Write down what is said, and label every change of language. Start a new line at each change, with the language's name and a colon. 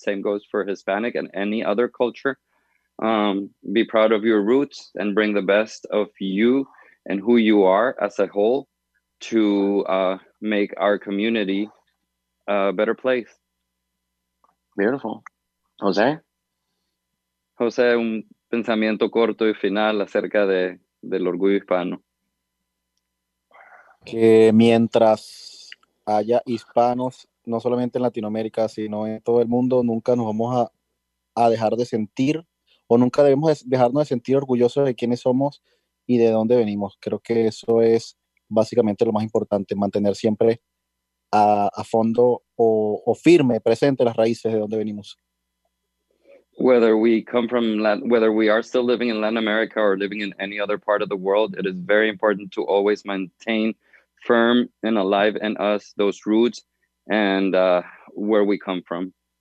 English: Same goes for Hispanic and any other culture. Be proud of your roots and bring the best of you and who you are as a whole to make our community a better place. Beautiful. Jose?
Spanish: Jose, pensamiento corto y final acerca del orgullo hispano. Que mientras haya hispanos, no solamente en Latinoamérica, sino en todo el mundo, nunca nos vamos a dejar de sentir, o nunca debemos dejarnos de sentir orgullosos de quiénes somos y de dónde venimos. Creo que eso es básicamente lo más importante, mantener siempre a fondo o firme, presente las raíces de dónde venimos.
English: Whether we come from whether we are still living in Latin America or living in any other part of the world, it is very important to always maintain firm and alive in us those roots and where we come from.